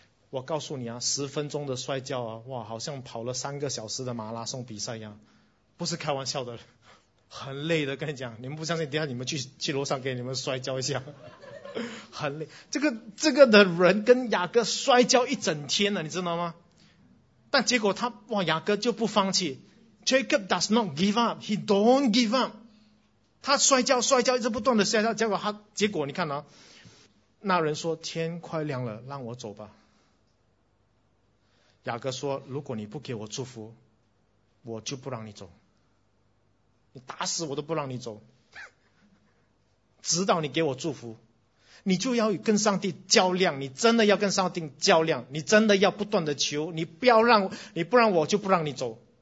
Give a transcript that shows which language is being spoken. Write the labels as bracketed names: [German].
[Chinese] 我告诉你啊，10分钟的摔跤啊，哇，好像跑了3个小时的马拉松比赛一样，不是开玩笑的，很累的。跟你讲，你们不相信，等一下你们去楼上给你们摔跤一下，很累。这个的人跟雅各摔跤一整天了，你知道吗？但结果他哇，雅各就不放弃。 [English] Jacob does not give up, he don't give up. [Chinese] 他摔跤，一直不断的摔跤，结果你看啊，那人说天快亮了，让我走吧。雅各说，如果你不给我祝福，我就不让你走，你打死我都不让你走，直到你给我祝福，你就要跟上帝较量，你真的要跟上帝较量，你真的要不断的求，你不要让，你不让我就不让你走。